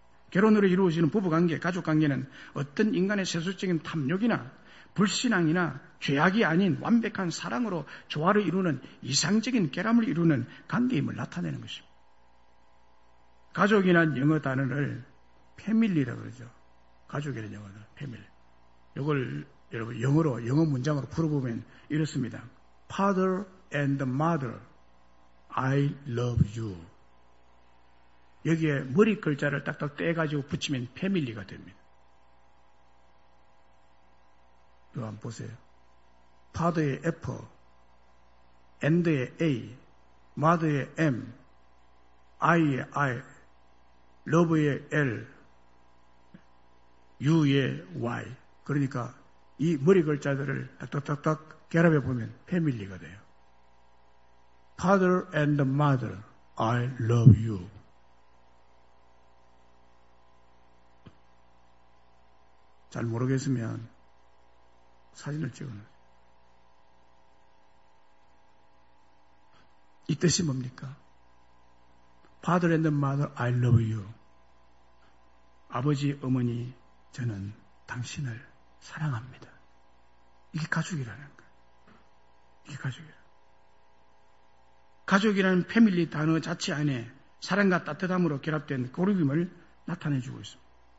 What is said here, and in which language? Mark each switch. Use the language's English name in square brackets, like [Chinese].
[Korean] 결혼으로 이루어지는 부부관계, 가족관계는 어떤 인간의 세속적인 탐욕이나 불신앙이나 죄악이 아닌 완벽한 사랑으로 조화를 이루는 이상적인 결함을 이루는 관계임을 나타내는 것입니다. 가족이란 영어 단어를 패밀리라고 그러죠. 가족이란 영어 단어 패밀리. 이걸 여러분 영어 문장으로 풀어보면 이렇습니다. [English] Father and mother, I love you. [Korean] 여기에 머리 글자를 딱딱 떼가지고 붙이면 패밀리가 됩니다. 이거 한번 보세요. 파더의 F, 엔더의 A, 마더의 M, 아이의 I, 러브의 L, U의 Y. 그러니까 이 머리 글자들을 딱딱딱 결합해 보면 패밀리가 돼요. [English] Father and mother, I love you. [Korean] 잘 모르겠으면 사진을 찍어놔요. 이 뜻이 뭡니까? [English] Father and mother, I love you. [Korean] 아버지, 어머니, 저는 당신을 사랑합니다. 이게 가족이라는 거예요. 이게 가족이에요. 가족이라는 패밀리 단어 자체 안에 사랑과 따뜻함으로 결합된 그룹임을 나타내주고 있습니다.